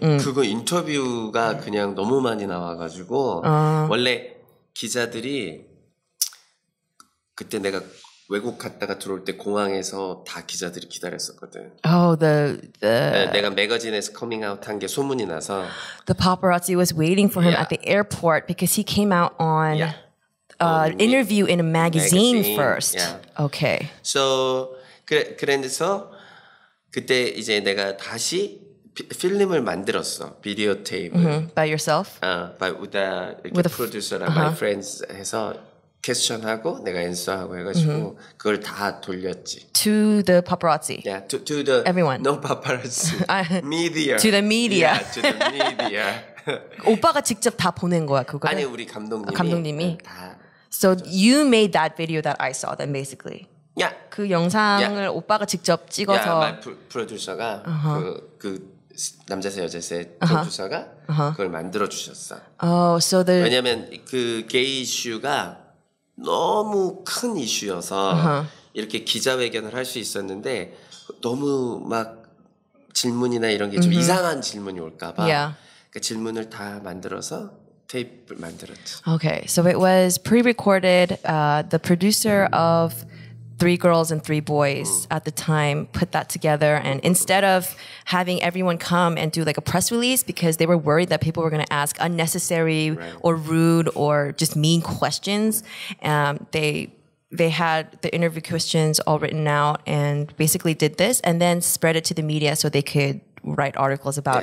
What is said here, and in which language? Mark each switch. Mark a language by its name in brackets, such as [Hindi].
[Korean] 그거 인터뷰가 그냥 너무 많이 나와가지고 원래 기자들이 그때 내가 외국 갔다가 들어올 때 공항에서 다 기자들이 기다렸었거든. [English] Oh, the [Korean] 내가 매거진에서 [English] coming out [Korean] 한 게 소문이 나서. [English] The paparazzi was waiting for him at the airport because he came out on interview in a magazine first. Yeah. Okay. So [Korean] 그래서 그때 이제 내가 다시 필름을 만들었어. 비디오 테이프. [English] Mm-hmm. By yourself? With a producer [Korean] 랑 [English] my friends [Korean] 해서 캐스션 하고 내가 연수하고 해가지고 [English] mm-hmm. [Korean] 그걸 다 돌렸지. [English] To the paparazzi. Yeah, to the everyone. No paparazzi. Media. To the media. Yeah, to the media. [Korean] 오빠가 직접 다 보낸 거야 그거. 아니 우리 감독님이. 감독님이. [English] So you made that video that I saw. Then basically. Yeah. [Korean] 그 영상을 [English] yeah. [Korean] 오빠가 직접 찍어서. [English] Yeah, my [Korean] 프로듀서가 그 남자세 여자세 프로듀서가 그걸 만들어 주셨어. [English] Oh, so the. [Korean] 왜냐면 그 gay 이슈가 너무 큰 이슈여서 [English] uh-huh. [Korean] 이렇게 기자회견을 할 수 있었는데 너무 막 질문이나 이런 게 좀 [English] mm-hmm. [Korean] 이상한 질문이 올까 봐 [English] yeah. [Korean] 그 질문을 다 만들어서 테이프를 만들었죠. [English] Okay, so it was pre-recorded. The producer of Three Girls and Three Boys at the time put that together. And instead of having everyone come and do like a press release because they were worried that people were going to ask unnecessary right. or rude or just mean questions, they had the interview questions all written out and basically did this and then spread it to the media so they could write articles about